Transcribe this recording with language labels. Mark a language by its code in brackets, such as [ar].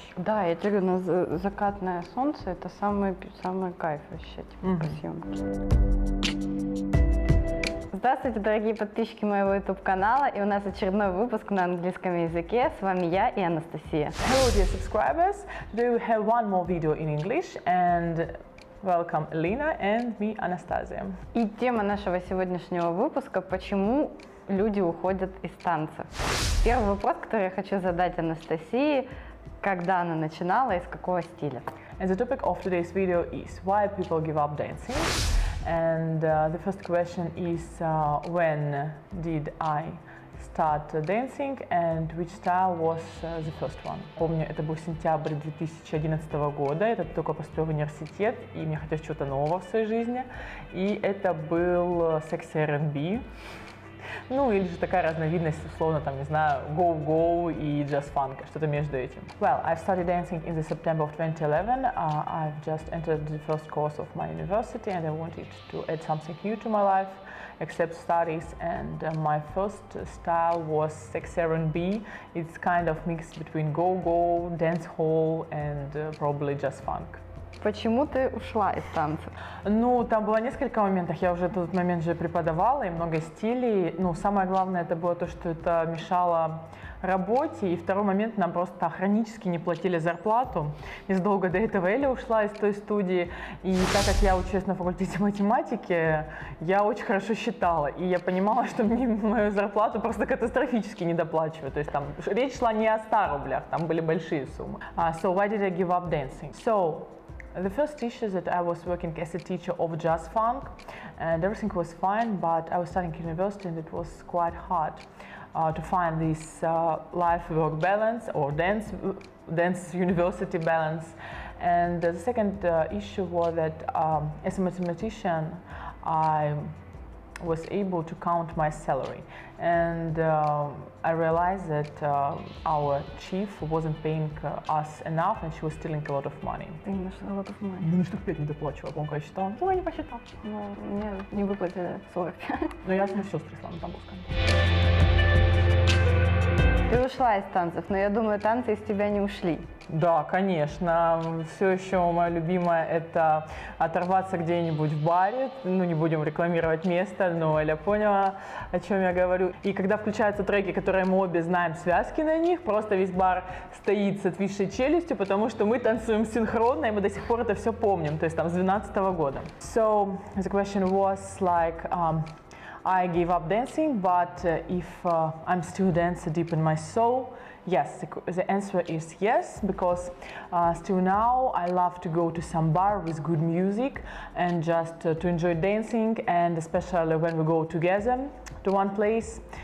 [ru] Да, я тебе говорю, закатное солнце — это самый кайф вообще, типа, по съемке. Здравствуйте, дорогие подписчики моего YouTube-канала, и у нас очередной выпуск на английском языке. С вами я и Анастасия. [en] Hello, dear subscribers. Today we have one more video in English, and welcome Lina and me, Anastasia. [ru] И тема нашего сегодняшнего выпуска – почему люди уходят из танцев. Первый вопрос, который я хочу задать Анастасии, когда она начинала и с какого стиля? [en] And the topic of today's video is why people give up dancing. And the first question is when did I start dancing and which style was the first one? [ru] Помню, это был сентябрь 2011 года, я только поступила в университет, и мне хотелось чего-то нового в своей жизни. И это был секси R&B. Ну, или же такая разновидность, условно, там, не знаю, go-go и just funk, что-то между этим. [en] Well, I started dancing in the September of 2011. I've just entered the first course of my university and I wanted to add something new to my life, except studies. And my first style was sexy R&B. It's kind of mixed between go-go, dancehall and probably just funk. [ru] Почему ты ушла из танцев? Ну, там было несколько моментов. Я уже тот момент же преподавала, и много стилей. Ну, самое главное, это было то, что это мешало работе. И второй момент, нам просто хронически не платили зарплату. Незадолго до этого Эля ушла из той студии. И так как я училась на факультете математики, я очень хорошо считала. И я понимала, что мне мою зарплату просто катастрофически недоплачивают. То есть там речь шла не о 100 рублях, там были большие суммы. [en] So, why did I give up dancing? So, the first issue is that I was working as a teacher of jazz funk and everything was fine, but I was studying university and it was quite hard to find this life-work balance or dance-university balance. And the second issue was that as a mathematician, I was able to count my salary. And I realized that our chief wasn't paying us enough and she was stealing a lot of money. [ru] Ну, штук 5 не доплачивала, по-моему, я считала. Ну, я не посчитала. Ну, мне не выплатили 45. Ну, я сама сестры слава на Тамбовском. Ты ушла из танцев, но я думаю, танцы из тебя не ушли. Да, конечно. Все еще моя любимая – это оторваться где-нибудь в баре. Ну, не будем рекламировать место, но Эля поняла, о чем я говорю. И когда включаются треки, которые мы обе знаем связки на них, просто весь бар стоит с отвисшей челюстью, потому что мы танцуем синхронно, и мы до сих пор это все помним, то есть там с 2012 года. [en] So, the question was like, I gave up dancing, but if I'm still dancer deep in my soul, yes, the answer is yes, because still now I love to go to some bar with good music and just to enjoy dancing, and especially when we go together to one place.